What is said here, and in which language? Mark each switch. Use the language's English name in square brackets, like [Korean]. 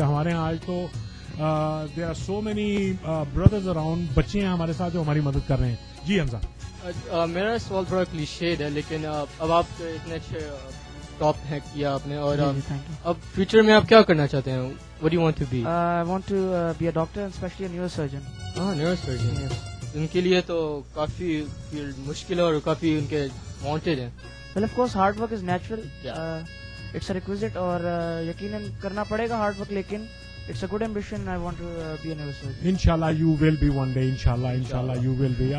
[Urdu] ہمارے یہاں آج تو [English] there are so many brothers around, [Urdu] بچے ہیں ہمارے ساتھ جو ہماری مدد کر رہے ہیں. جی حمزہ, میرا سوال تھوڑا کلیشیڈ ہے لیکن اب آپ اتنے اچھے ٹاپ ہیں کیا آپ نے, اور اب فیوچر میں آپ کیا کرنا چاہتے ہیں؟ [English] What do you want to be? I want to be a doctor and especially a neurosurgeon. Neurosurgeon. Yes. [Urdu] ان کے لیے تو کافی فیلڈ مشکل ہے اور کافی ان کے وانٹیڈ ہیں. [English] well of course hard work is natural, it's a requisite [Urdu] اور یقیناً کرنا پڑے گا [English] Hard work, لیکن it's a good ambition. I want to be a neurosurgeon. انشاءاللہ you will be one day, انشاءاللہ انشاءاللہ you will be.